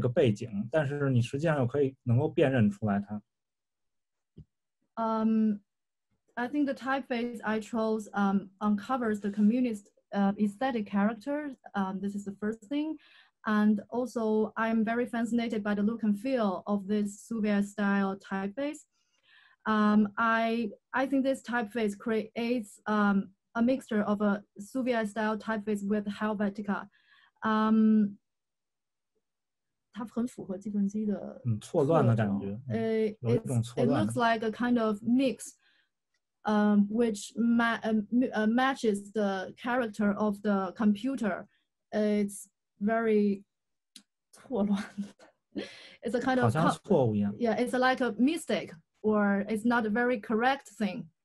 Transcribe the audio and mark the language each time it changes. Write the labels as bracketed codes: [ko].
[zh] 这个字体的灵感来自于两个方面，一个是来自于苏联的，或者说俄语的这个字形，但它呢又不是一个真正的俄语。另外一个就是它跟海尔拜提卡这样一个诞生在瑞士的字体相结合，那么其实这两个东西产生一种特别奇妙的视觉效果，就是说它好像是一个错乱的字体，这个东西又比较符合计算机的这个背景，但是你实际上又可以能够辨认出来它。 [en] I think the typeface uncovers the communist aesthetic character. This is the first thing. And also, I'm very fascinated by the look and feel of this Soviet-style typeface. I think this typeface creates a mixture of a Soviet-style typeface with Helvetica. [zh] 它很符合计算机的错乱的感觉，有一种错乱。 [en] It looks like a kind of mix, which matches the character of the computer. It's very [zh] 错乱. [en] It's a kind of [zh] 好像错误一样. [en] Yeah, it's like a mistake, or it's not a very correct thing.